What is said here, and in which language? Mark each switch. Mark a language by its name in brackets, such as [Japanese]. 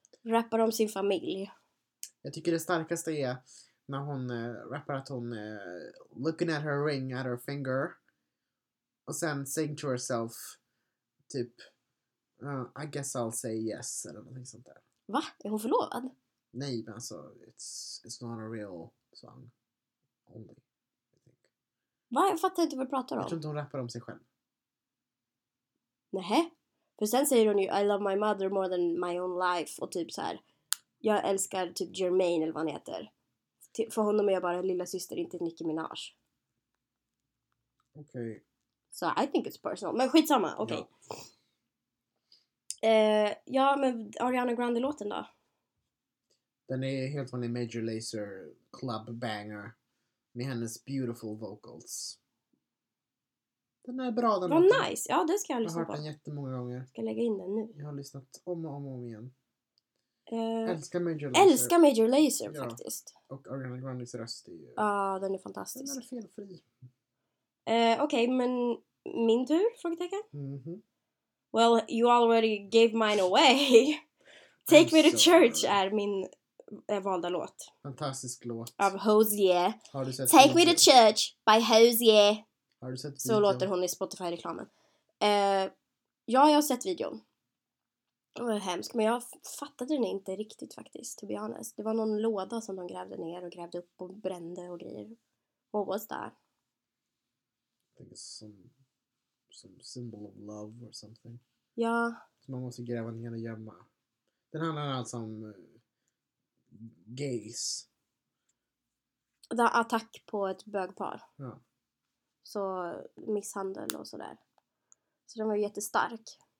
[Swedish] Rappar om sin familj. Jag tycker det starkaste är när hon rappar att hon [English] looking at her ring at her finger [Swedish] och sen [English] saying to herself [Swedish] typ [English] I guess I'll say yes [Swedish] eller någonting sånt där. Va? Är hon förlovad? Nej, men alltså [English] it's not a real song only, I think. [Swedish] Va? Jag fattar inte vad du pratar om. Jag tror inte hon rappar om sig själv. Nähä. För sen säger hon ju [English] I love my mother more than my own life [Swedish] och typ så här. Jag älskar typ Jermaine eller vad han heter. För honom är jag bara en lilla syster, inte Nicki Minaj. Okej. [English] Okay. So I think it's personal. [Swedish] Men skitsamma, okej. [English] Okay. Ja. [Swedish] Men Ariana Grande-låten då? Den är helt vanlig Major Lazer club banger. Med hennes [English] beautiful vocals. [Swedish] Den är bra den låten. Nice, ja den ska jag lyssna på. Jag har hört den jättemånga gånger. Ska lägga in den nu. Jag har lyssnat om och om igen. Älskar Major Lazer. Älskar Major Lazer, ja. Faktiskt. Och Ariana Grandes röst är ju... Ja, den är fantastisk. Den är felfri. Okej, okay, men min tur? Frågetecken? Mm-hmm. [English] Well, you already gave mine away. [Swedish] Take me to church är min valda låt. Fantastisk låt. Av Hozier. Har du sett [English] Take video? Me to church by Hozier. [Swedish] Har du sett video? Så låter hon i Spotify-reklamen. Ja, jag har sett videon. Det var hemskt, men jag fattade den inte riktigt faktiskt, [English] to be honest. [Swedish] Det var någon låda som de grävde ner och grävde upp och brände och grejer. [English] What was that? I think it's some symbol of love or something. [Swedish] Ja. Så man måste gräva ner och gömma. Den handlar alltså om gays. Det är attack på ett bögpar. Ja. Så misshandel och sådär. Så den var ju jättestark.